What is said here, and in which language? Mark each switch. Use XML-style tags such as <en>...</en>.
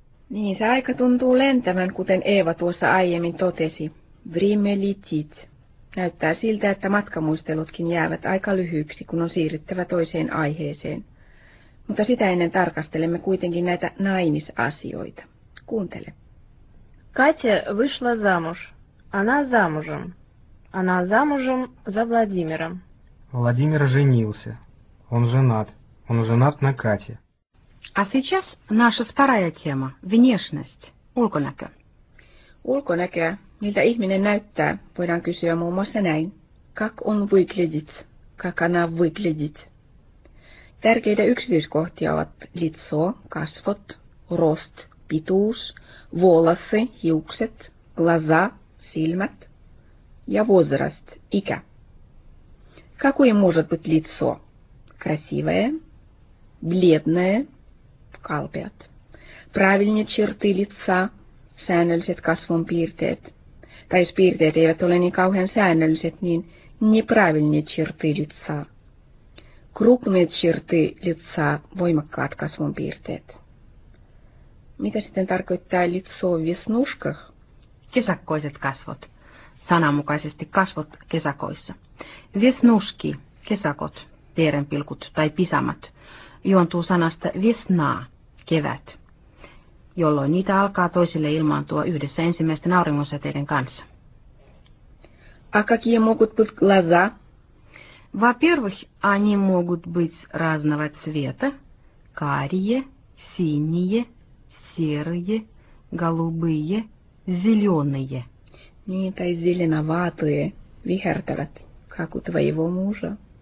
<fi>Niin, se aika tuntuu lentävän, kuten Eeva tuossa aiemmin totesi.</fi> <ru>Время летит.</ru> <fi>Näyttää siltä, että matkamuistelutkin jäävät aika lyhyiksi, kun on siirryttävä toiseen aiheeseen. Mutta sitä ennen tarkastelemme kuitenkin näitä naimisasioita. Kuuntele.</fi> <ru>Katja вышла замуж. Она замужем. Она замужем за Владимиром. Владимир женился. Он женат. Он женат на Кате. А сейчас наша вторая тема. Внешность.</ru> <fi>Ulkonäkö. Ulkonäkö. Miltä ihminen näyttää, voidaan kysyä muun muassa näin.</fi> <ru>Как он выглядит? Как она выглядит?</ru> <fi>Tärkeitä yksityiskohtia ovat litso, kasvot, rost, pituus, волосы, hiukset, глаза, silmät ja возраст, ikä.</fi> <ru>Какое может быть лицо? Красивое? Бледное? Калпят. Правильные черты лица?</ru> <fi>Säännölliset kasvonpiirteet. Tai jos piirteet eivät ole niin kauhean säännölliset, niin</fi> <ru>неправильные черты лица. Крупные черты лица,</ru> <fi>voimakkaat kasvonpiirteet. Mitä sitten tarkoittaa</fi> <ru>лицо в веснушках?</ru> <fi>Kesäkkoiset kasvot. Sananmukaisesti kasvot kesäkoissa. Веснушки, kesäkot, teerenpilkut tai pisamat, juontuu sanasta весна, kevät, jolloin niitä alkaa toisille ilmaantua yhdessä ensimmäisten auringonsäteiden kanssa.</fi> <ru>А какие могут быть глаза? Во-первых, они могут быть разного цвета. Карие, синие, серые, голубые, зеленые.</ru> <fi>Niin, tai</fi> <ru>зеленоватые,</ru> <fi>вихертават,</fi> <ru>как у твоего мужа.</ru>